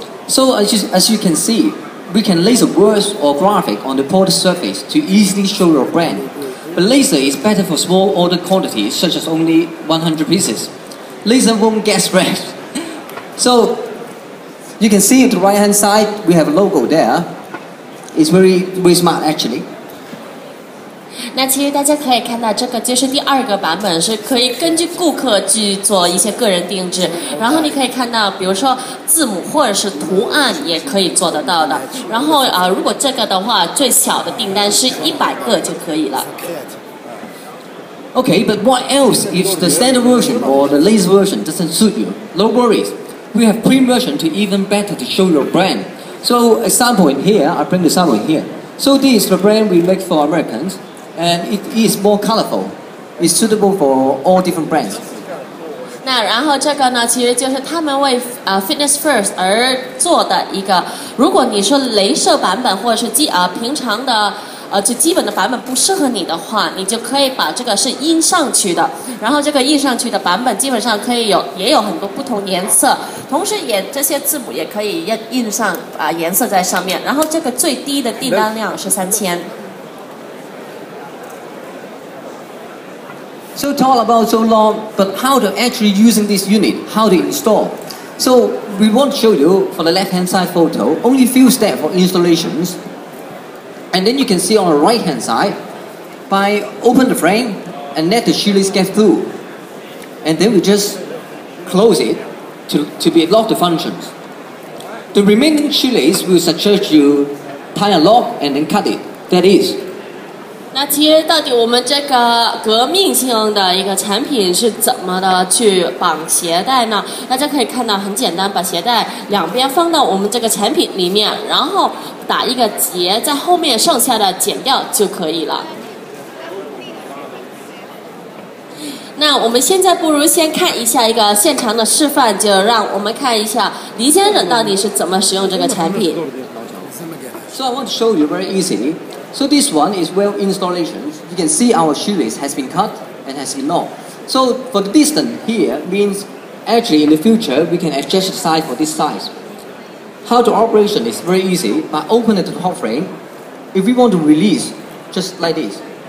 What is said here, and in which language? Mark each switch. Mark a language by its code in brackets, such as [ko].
[en] So as you can see,We can laser words or graphic on the product surface to easily show your brand. But laser is better for small order quantities such as only 100 pieces. Laser won't get spread. So, you can see at the right hand side, we have a logo there. It's very, very smart actually. [zh] 那其实大家可以看到这个就是第二个版本是可以根据顾客去做一些个人定制然后你可以看到比如说字母或者是图案也可以做得到的然后如果这个的话最小的订单是100个就可以了 [en] OK but what else if the standard version or the laser version doesn't suit you no worries we have print version to even better to show your brand so example in here I bring the sample in here so this is the brand we make for AmericansAnd it is more colorful. It's suitable for all different brands. [zh] 那然后这个呢，其实就是他们为Fitness First 而做的一个。如果你说镭射版本或者是平常的最基本的版本不适合你的话，你就可以把这个是印上去的。然后这个印上去的版本基本上可以也有很多不同颜色，同时也这些字母也可以印上颜色在上面。然后这个最低的订单量是3000。 [en] So talk about so long, but how to actually using this unit, how to install. So we want to show you for the left hand side photo, only few steps for installations. And then you can see on the right hand side, by open the frame and let the shoelace get through. And then we just close it to be locked the functions. The remaining shoelace will suggest you tie a lock and then cut it, that is. [zh] 那其实到底我们这个革命性的一个产品是怎么的去绑鞋带呢大家可以看到很简单把鞋带两边放到我们这个产品里面然后打一个结在后面剩下的剪掉就可以了那我们现在不如先看一下一个现场的示范就让我们看一下李先生到底是怎么使用这个产品 [en] So I want to show you very easily So this one is well installation. You can see our shoelace has been cut and has been locked. So for the distance here means actually in the future we can adjust the size for this size. How to operation is very easy by opening the top frame. If we want to release, just like this.